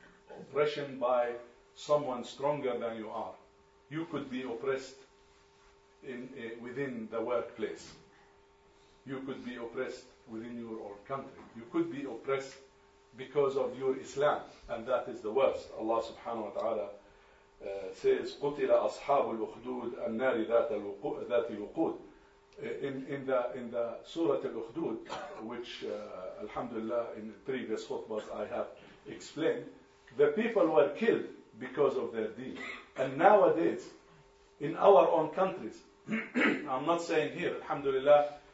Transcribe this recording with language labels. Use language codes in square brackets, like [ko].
[en] Oppression by someone stronger than you are. You could be oppressed within the workplace. You could be oppressed within your own country. You could be oppressed because of your Islam, and that is the worst. Allah subhanahu wa ta'ala says, [ar] قُتِلَ أَصْحَابُ الْأُخْدُودِ النَّارِ ذَاتِ الْوُقُودِ. [en] In the Surah Al-Ukhdud, which alhamdulillah in previous khutbas I have explained, the people were killed because of their deen. And nowadays, in our own countries, I'm not saying here, alhamdulillah,